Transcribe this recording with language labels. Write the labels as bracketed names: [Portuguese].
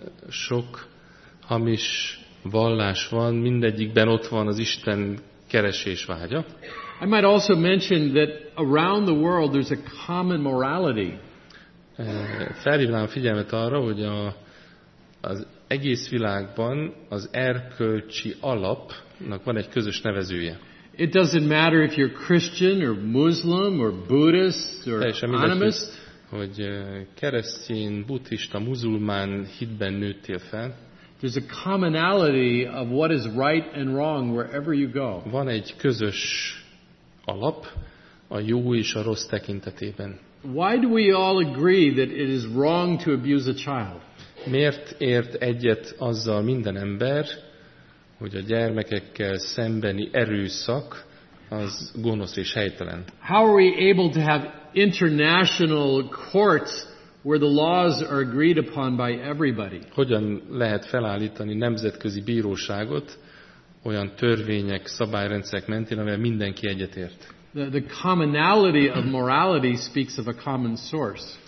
[Hungarian] Sok hamis vallás van, mindegyikben ott van az Isten keresés vágya. [English] I might also mention that around the world there's a common morality. [Hungarian] Felhívnám a figyelmet arra, hogy az egész világban az erkölcsi alapnak van egy közös nevezője. [English] It doesn't matter if you're Christian or Muslim or Buddhist or animist. [Hungarian] Hogy keresztény, buddhista, muzulmán hitben nőttél fel. [English] There's a commonality of what is right and wrong wherever you go. [Hungarian] Van egy közös alap a jó és a rossz tekintetében. [English] Why do we all agree that it is wrong to abuse a child? [Hungarian] Miért ért egyet azzal minden ember, hogy a gyermekekkel szembeni erőszak az gonosz és helytelen? [English] How are we able to have international courts where the laws are agreed upon by everybody? [Hungarian] Hogyan lehet felállítani nemzetközi bíróságot olyan törvények, szabályrendszerek mentén, amivel mindenki egyetért? [English] The commonality of morality speaks of a common source.